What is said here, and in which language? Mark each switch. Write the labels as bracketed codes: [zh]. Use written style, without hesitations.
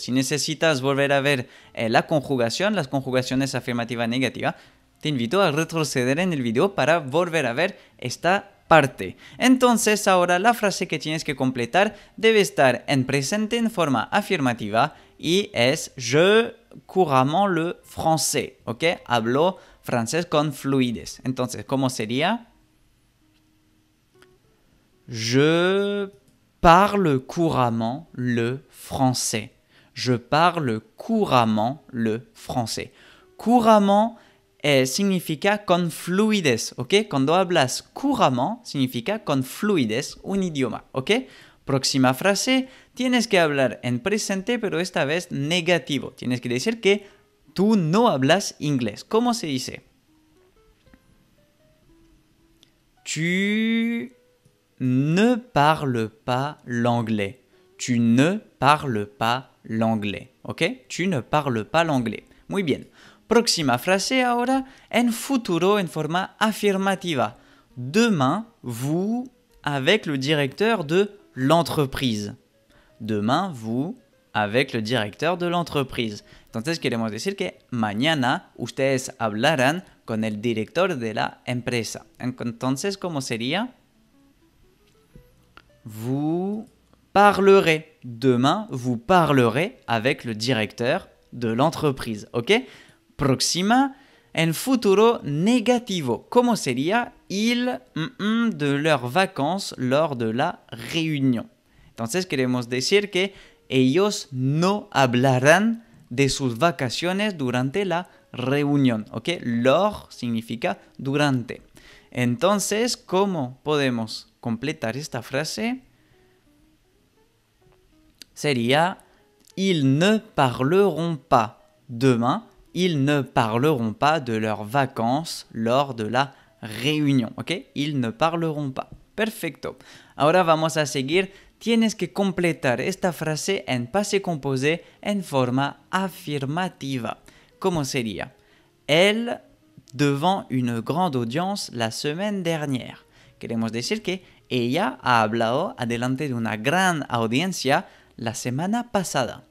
[es] Si necesitas volver a ver la conjugación, las conjugaciones afirmativa y negativa, te invito a retroceder en el video para volver a ver esta parte. Entonces ahora la frase que tienes que completar debe estar en presente en forma afirmativa y es [fr] je couramment le français, [es] ok? Hablo francés con fluidez. Entonces, ¿cómo sería? [fr] Je parle couramment le français. Je parle couramment le français. [es] Couramment significa con fluidez, ok? Cuando hablas couramment, significa con fluidez, un idioma, ok? Próxima frase, tienes que hablar en presente, pero esta vez negativo. Tienes que decir que tú no hablas inglés. ¿Cómo se dice? [fr] Tu ne parles pas l'anglais. Tu ne parles pas l'anglais. Ok? Tu ne parles pas l'anglais. [es] Muy bien. Próxima frase ahora. En futuro, en forma afirmativa. [fr] Demain, vous, avec le directeur de l'entreprise. Demain, vous, avec le directeur de l'entreprise. [es] Entonces queremos decir que mañana ustedes hablarán con el director de la empresa. Entonces, ¿cómo sería? [fr] Vous parlerez. Demain, vous parlerez avec le directeur de l'entreprise. [es] Ok? Próxima. En futuro negativo. ¿Cómo sería? [fr] Ils de leurs vacances lors de la réunion. [es] Entonces, queremos decir que ellos no hablarán de sus vacaciones durante la reunión. ¿Ok? Lors significa durante. Entonces, ¿cómo podemos completar esta frase? Sería, [fr] ils ne parleront pas. Demain, ils ne parleront pas de leurs vacances lors de la réunión. [es] ¿Ok? [fr] Ils ne parleront pas. [es] Perfecto. Ahora vamos a seguir. Tienes que completar esta frase en passé composé en forma afirmativa. ¿Cómo sería? [fr] Elle devant une grande audience la semaine dernière. [es] Queremos decir que ella ha hablado adelante de una gran audiencia la semana pasada.